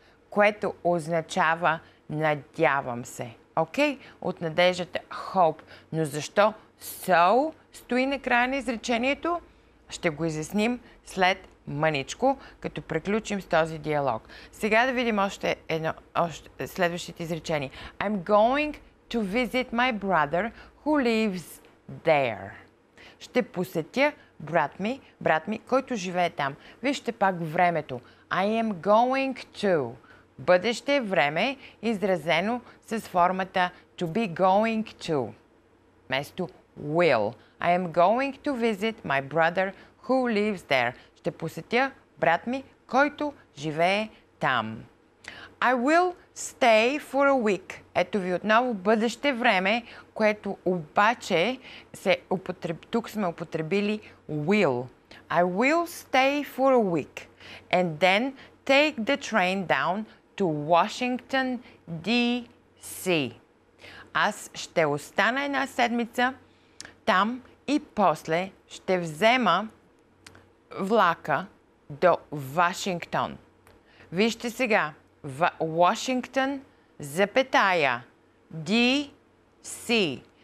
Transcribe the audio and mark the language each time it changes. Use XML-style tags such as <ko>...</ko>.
<bg>Което означава надявам се. Окей? От надеждата hope. Но защо so стои на края на изречението? Ще го изясним след мъничко, като приключим с този диалог. Сега да видим още следващите изречения.</bg> <en>I'm going to visit my brother who lives there.</en> <bg>Ще посетя брат ми, който живее там. Вижте пак времето.</bg> <en>I am going to.</en> <bg>Бъдеще време, изразено с формата to be going to. Вместо will.</bg> <en>I am going to visit my brother who lives there.</en> <bg>Ще посетя брат ми, който живее там.</bg> <en>I will stay for a week.</en> <bg>Ето ви отново бъдеще време, което обаче тук сме употребили will.</bg> <en>I will stay for a week and then take the train down to Washington, D.C.</en> <bg>Аз ще остана една седмица там и после ще взема влака до Вашингтон. Вижте сега, Вашингтон, запетая, D.C.</bg>